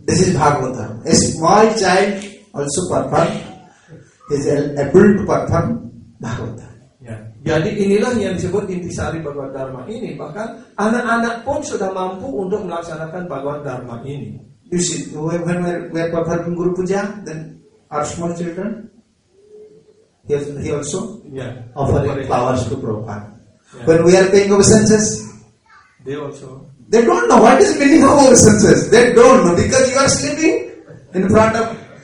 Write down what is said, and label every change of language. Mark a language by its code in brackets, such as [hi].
[en] This is Bhagavad Dharma. A small child also performs, is able to perform Bhagavad Dharma. [id] Jadi inilah yang disebut intisari Bhagavad Dharma ini. Bahkan anak-anak pun sudah mampu untuk melaksanakan Bhagavad Dharma ini. [en] You see, when we are performing Guru Puja, then our small children, he also offering flowers to Prabhupada. Yeah. When we are paying obeisances, they also. They don't know what is meaning of obeisances. They don't know because you are sleeping in front of.